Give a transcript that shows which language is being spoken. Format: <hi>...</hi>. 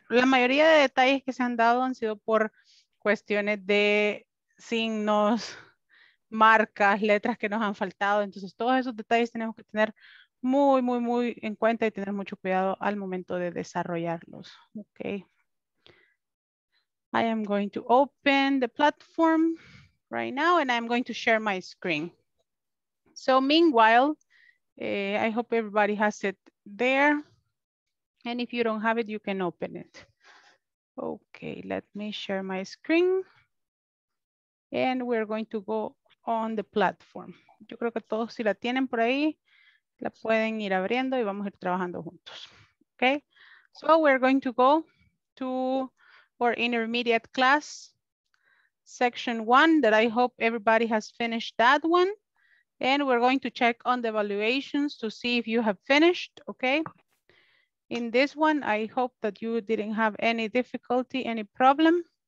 <es>La mayoría de detalles que se han dado han sido por cuestiones de signos, marcas, letras que nos han faltado. Entonces todos esos detalles tenemos que tener muy, muy, muy en cuenta y tener mucho cuidado al momento de desarrollarlos.</es> <en>Okay. I am going to open the platform right now and I'm going to share my screen. So meanwhile, I hope everybody has it there. And if you don't have it, you can open it. Okay, let me share my screen. And we're going to go on the platform.</en> <es>Yo creo que todos si la tienen por ahí, la pueden ir abriendo y vamos a ir trabajando juntos.</es> <en>Okay, so we're going to go to for intermediate class, section one, that I hope everybody has finished that one. And we're going to check on the evaluations to see if you have finished, okay? In this one, I hope that you didn't have any difficulty, any problem.</en>